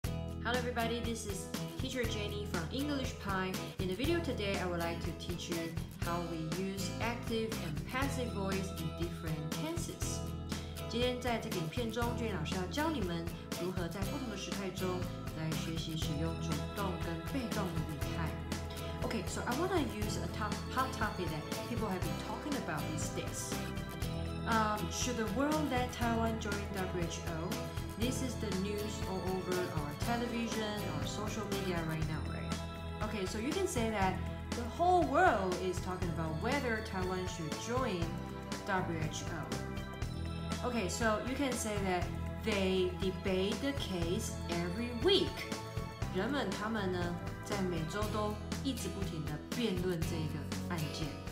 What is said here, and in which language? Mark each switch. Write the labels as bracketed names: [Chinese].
[English] Hello everybody, this is teacher Jenny from English Pie. In the video today, I would like to teach you how we use active and passive voice in different tenses. [Chinese] 今天在这个影片中 ,Jenny 老师要教你们如何在不同的时态中来学习使用主动跟被动的语态。 [English] Okay, so I want to use a hot topic that people have been talking about these days. Should the world let Taiwan join WHO? This is the news all over our television or social media right now, right? Okay, so you can say that the whole world is talking about whether Taiwan should join WHO. Okay, so you can say that they debate the case every week. [Chinese] 人们他们呢在每周都一直不停地辩论这个案件。